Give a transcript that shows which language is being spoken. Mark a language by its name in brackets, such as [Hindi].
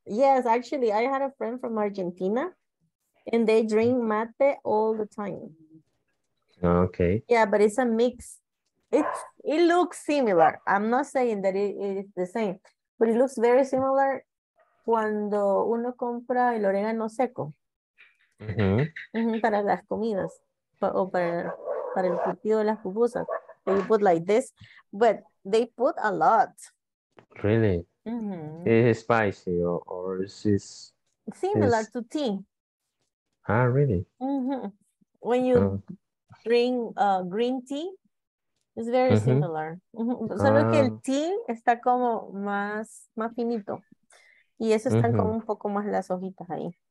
[English] Yes, actually, I had a friend from Argentina and they drink mate all the time. Okay. Yeah, but it's a mix. It looks similar. I'm not saying that it is the same, but it looks very similar [Spanish] cuando uno compra el orégano seco. Mm-hmm. Mm-hmm, para las comidas o para el curtido de las pupusas. [English] They put like this, but they put a lot. Really? Mm-hmm. Is it spicy or is it similar to tea? Ah, really? Mm-hmm. When you drink green tea, it's very mm-hmm. similar. Mm-hmm. [Spanish] Solo que el tea está como más finito. Y eso están mm-hmm. como un poco más las hojitas ahí.